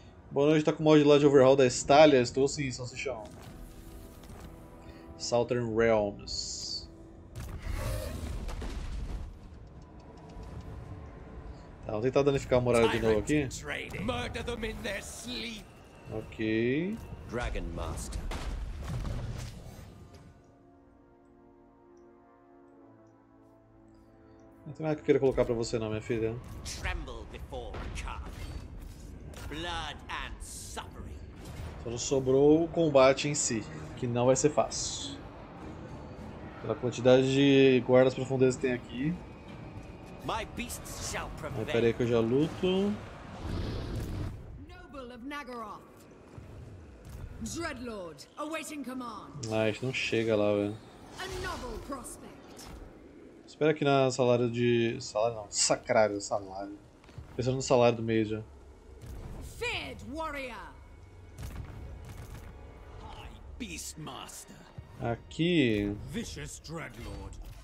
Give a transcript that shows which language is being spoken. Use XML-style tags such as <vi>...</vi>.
<pt>Boa noite, tá com o mod lá de overhaul da Stalia? Estou sim, Salsichão. Southern Realms. Ah, vou tentar danificar a muralha de novo aqui.</pt> <en>Murder them in their sleep. Ok. Dragon Master.</en> <pt>Não tem nada que eu queira colocar pra você não, minha filha.</pt> <en>Tremble before a charge. Blood and suffering.</en> <pt>Só não sobrou o combate em si, que não vai ser fácil. Pela quantidade de guardas profundezas que tem aqui.</pt> <en>My beasts shall prevail.</en> <pt>Espera aí que eu já luto.</pt> <en>Noble of Naggaroth. Dreadlord, awaiting command.</en> <pt>Ah, a gente não chega lá, velho.</pt> <en>A novel prospect.</en> <pt>Espera aqui na salário de. Salário não. Sacrário, salário. Pensando no salário do mês já.</pt> <en>Feared warrior. My beastmaster. Aqui. Vicious Dreadlord.</en>